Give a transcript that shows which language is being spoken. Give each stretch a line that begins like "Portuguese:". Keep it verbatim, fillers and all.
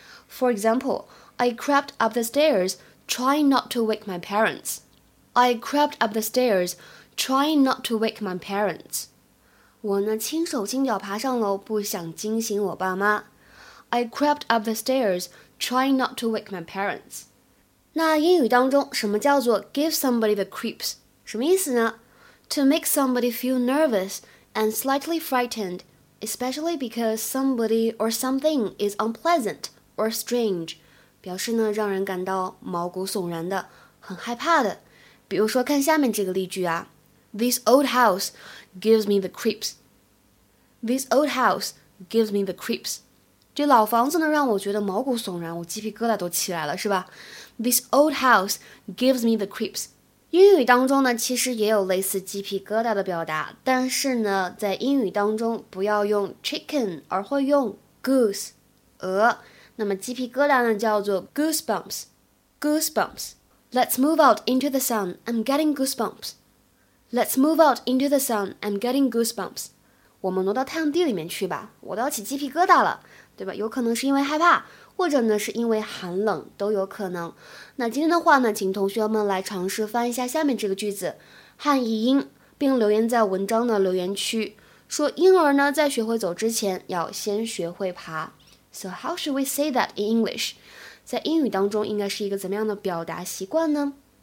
English: For example, I crept up the stairs, trying not to wake my parents. I crept up the stairs, trying not to wake my parents.
Chinese: 我呢轻手轻脚爬上楼，不想惊醒我爸妈。
English: I crept up the stairs, trying not to wake my parents.
Chinese: 那英语当中什么叫做
English: give somebody the creeps?
Chinese: 什么意思呢？
English: To make somebody feel nervous and slightly frightened, especially because somebody or something is unpleasant or strange.
Chinese: 表示呢让人感到毛骨悚然的，很害怕的。比如说看下面这个例句啊。
English: This old house gives me the creeps. This old house gives me the creeps.
Chinese: 这老房子呢让我觉得毛骨悚然，我鸡皮疙瘩都起来了，是吧？
English: This old house gives me the creeps.
Chinese: 英语当中呢其实也有类似鸡皮疙瘩的表达，但是呢在英语当中不要用 chicken 而会用 goose 鹅。那么鸡皮疙瘩呢叫做 goosebumps. Goosebumps.
English: Let's move out into the sun. I'm getting goosebumps. Let's move out into the sun. I'm getting goosebumps.
Chinese: 我们挪到太阳地里面去吧，我都要起鸡皮疙瘩了，对吧？有可能是因为害怕，或者呢是因为寒冷，都有可能。那今天的话呢，请同学们来尝试翻一下下面这个句子，汉译英，并留言在文章的留言区。说婴儿呢在学会走之前，要先学会爬。
English: So how should we say that in English?
Chinese: 在英语当中应该是一个怎么样的表达习惯呢？